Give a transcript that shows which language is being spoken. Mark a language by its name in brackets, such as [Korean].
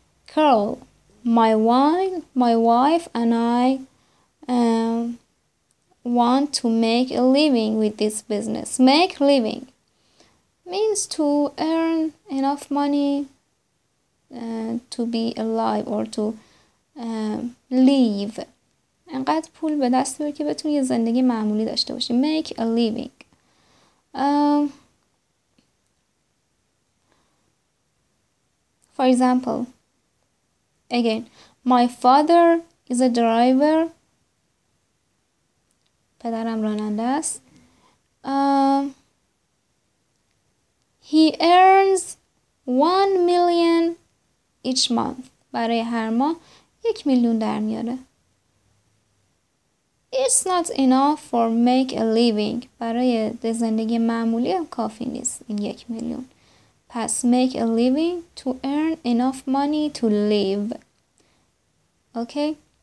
[English] Carol, my wife and I want to make a living with this business. Make living means to earn enough money to be alive or to live. [Persian] انقدر پول به دست بیاری که بتونی یه زندگی معمولی داشته باشی. [English] Make a living. For example, again, my father is a driver. [Persian] پدرم راننده است. [English] He earns 1 million each month. [Persian] برای هر ماه 1 million در میاره. [English] It's not enough for make a living. [Persian] برای زندگی معمولی هم کافی نیست این 1 million. پس [English] make a living to earn enough money to live. Okay?